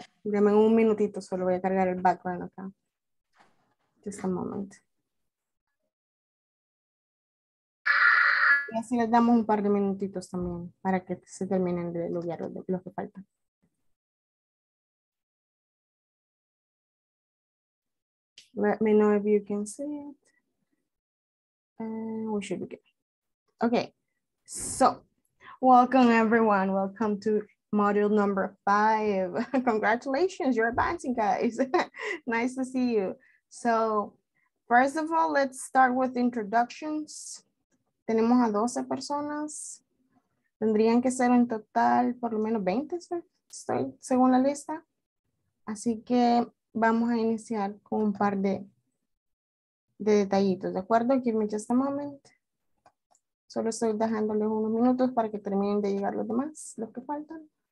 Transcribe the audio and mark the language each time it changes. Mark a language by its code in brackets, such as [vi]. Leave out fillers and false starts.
[es] Deme un minutito, solo voy a cargar el background acá. [en] Just a moment. [es] Y así les damos un par de minutitos también para que se terminen de lograr lo que falta. [en] Let me know if you can see it. We should be good. Okay, so welcome everyone. Welcome to module number 5. Congratulations, you're advancing, guys. Nice to see you. So first of all, let's start with introductions. [es] Tenemos a 12 personas. Tendrían que ser en total por lo menos 20, estoy según la lista. Así que vamos a iniciar con un par de detallitos, ¿de acuerdo? [en] Give me just a moment. [es] Solo estoy dejándoles unos minutos para que terminen de llegar los demás, los que faltan.